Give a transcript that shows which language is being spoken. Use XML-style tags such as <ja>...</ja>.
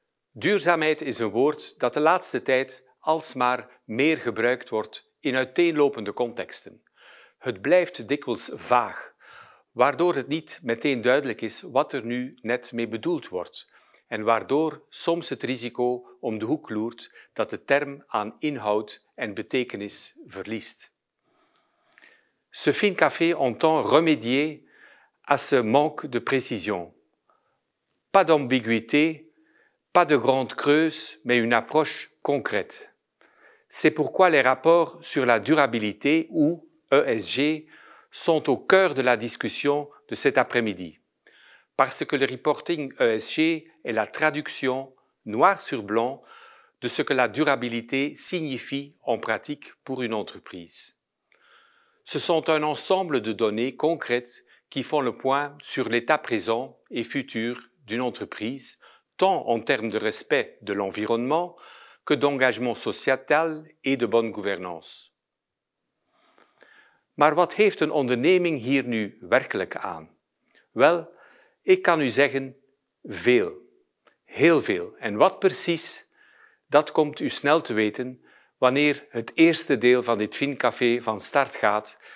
<nl>Duurzaamheid is een woord dat de laatste tijd alsmaar meer gebruikt wordt in uiteenlopende contexten. Het blijft dikwijls vaag, waardoor het niet meteen duidelijk is wat er nu net mee bedoeld wordt en waardoor soms het risico om de hoek loert dat de term aan inhoud en betekenis verliest.</nl> <fr>Ce FinCafé entend remédier à ce manque de précision. Pas d'ambiguïté, pas de grande creuse, mais une approche concrète. C'est pourquoi les rapports sur la durabilité, ou ESG, sont au cœur de la discussion de cet après-midi. Parce que le reporting ESG est la traduction, noir sur blanc, de ce que la durabilité signifie en pratique pour une entreprise. Ce sont un ensemble de données concrètes qui font le point sur l'état présent et futur d'une entreprise, tant en termes de respect de l'environnement, que d'engagement sociétal et de bonne gouvernance.</fr> <nl>Maar wat heeft een onderneming hier nu werkelijk aan? Wel, ik kan u zeggen, veel. Heel veel. En wat precies, dat komt u snel te weten wanneer het eerste deel van dit FinCafé van start gaat.</nl>